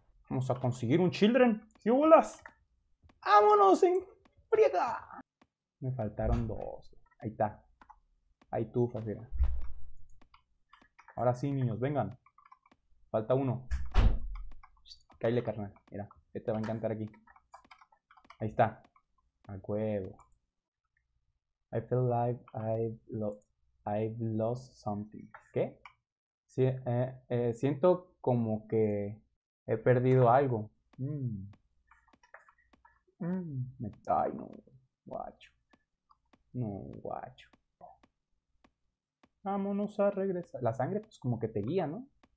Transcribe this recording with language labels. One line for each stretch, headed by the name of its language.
Spanish: Vamos a conseguir un children. ¡Qué bolas! ¡Vámonos en friega! Me faltaron dos. Ahí está. Ahí tufas, mira. Ahora sí, niños, vengan. Falta uno. Cáile, carnal. Mira, este va a encantar aquí. Ahí está. A huevo.
English: I feel like I've lost something.
Spanish: ¿Qué? Sí, siento como que he perdido algo. Ay, no. Guacho. No, guacho. Vámonos a regresar. La sangre, pues, como que te guía, ¿no?